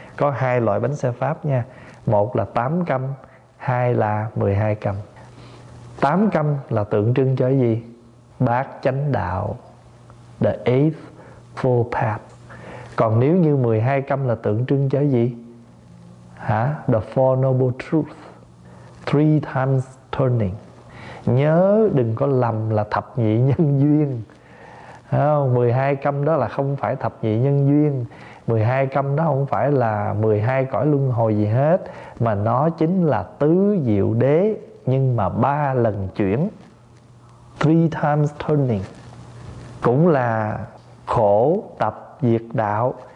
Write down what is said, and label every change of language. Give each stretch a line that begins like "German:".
Vietnamese: Có hai loại bánh xe pháp nha. Một là 8 câm, hai là 12 câm. 8 câm là tượng trưng cho cái gì? Bát chánh đạo,
English: the eighth full path.
Vietnamese: Còn nếu như 12 câm là tượng trưng cho gì? Hả?
English: The four noble truth, three times turning.
Vietnamese: Nhớ đừng có lầm là thập nhị nhân duyên. 12 câm đó là không phải thập nhị nhân duyên, 12 căn đó không phải là 12 cõi luân hồi gì hết, mà nó chính là tứ diệu đế, nhưng mà ba lần chuyển,
English: 3 times turning,
Vietnamese: cũng là khổ tập diệt đạo.